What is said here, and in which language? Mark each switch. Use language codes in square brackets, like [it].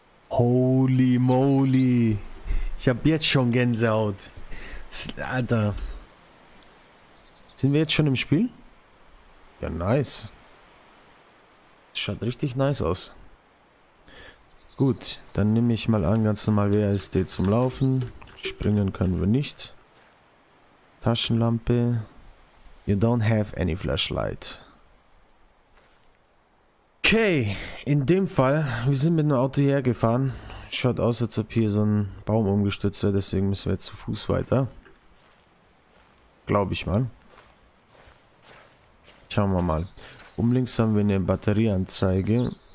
[de] Holy moly. Ich habe jetzt schon Gänsehaut. Alter. Sind wir jetzt schon im Spiel? Ja, nice. Schaut richtig nice aus. Gut, dann nehme ich mal an, ganz normal WASD zum Laufen. Springen können wir nicht. Taschenlampe. [en] You don't have any flashlight. [de] Okay, in dem Fall, wir sind mit einem Auto hergefahren. Schaut aus, als ob hier so ein Baum umgestürzt wäre, deswegen müssen wir jetzt zu Fuß weiter. Glaube ich mal. Schauen wir mal. Oben links haben wir eine Batterieanzeige.